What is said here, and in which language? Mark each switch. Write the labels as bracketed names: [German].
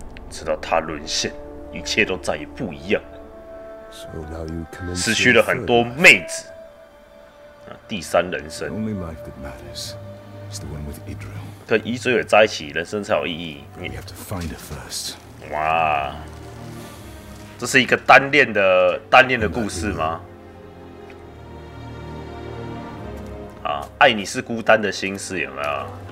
[Chinese] 直到他沦陷，一切都再也不一样。 [English] So now you commence. [Chinese] 失去了很多妹子。啊，第三人生。 [English] The only life that matters is the one with Idril. [Chinese] 跟伊追尔在一起，人生才有意义。 [English] We have to find her first. [Chinese] 哇，这是一个单恋的故事吗？啊，爱你是孤单的心事，有没有？